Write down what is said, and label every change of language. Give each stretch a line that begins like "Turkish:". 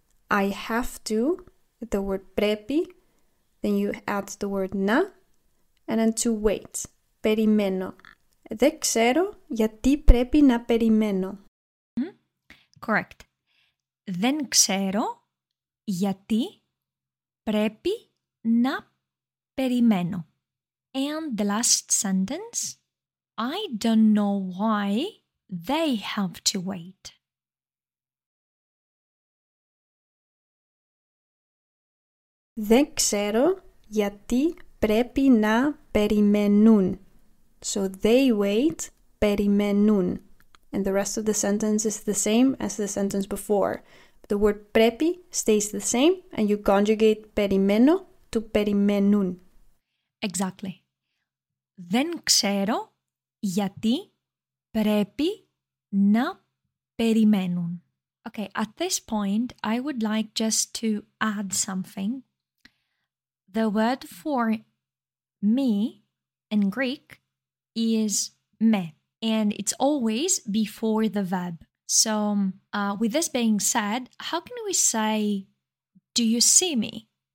English: I have to. The word πρέπει. Then you add the word να. And then to wait. Περιμένω.
Greek: Δεν ξέρω γιατί πρέπει να περιμένω.
English: Mm-hmm. Correct.
Greek: Δεν ξέρω γιατί πρέπει να περιμένω.
English: And the last sentence, I don't know why they have to wait.
Greek: Δεν ξέρω γιατί πρέπει να περιμένουν.
English: So they wait, περιμένουν. And the rest of the sentence is the same as the sentence before. The word πρέπει stays the same and you conjugate περιμένω to περιμένουν. Exactly.
Greek: Δεν ξέρω γιατί πρέπει να περιμένουν.
English: Okay, at this point, I would like just to add something. The word for me in Greek is με, and it's always before the verb. So, with this being said, how can we say, do you see me?